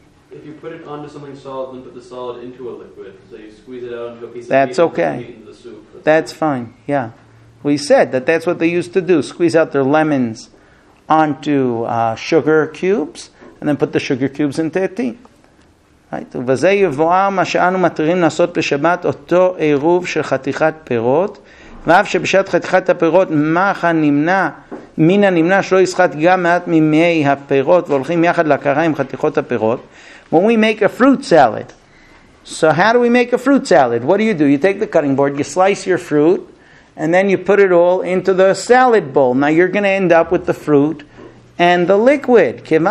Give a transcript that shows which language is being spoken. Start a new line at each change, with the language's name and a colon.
English: If you put it onto something solid, then put the solid into a liquid. So you squeeze it out into a piece that's of meat, okay. And meat into the soup. That's fine, yeah. We said that that's what they used to do, squeeze out their lemons onto sugar cubes and then put the sugar cubes into a tea. Right?
Hebrew: וזה יבואר מה שאנו מתירים לעשות בשבת אותו עירוב של חתיכת פירות ואף שבשעת חתיכת הפירות מחה נמנע מן הנמנע שלא יסחט גם מעט ממי הפירות והולכים יחד להכרה עם חתיכות הפירות.
English: When we make a fruit salad. So how do we make a fruit salad? What do? You take the cutting board, you slice your fruit, and then you put it all into the salad bowl. Now you're going to end up with the fruit and the liquid.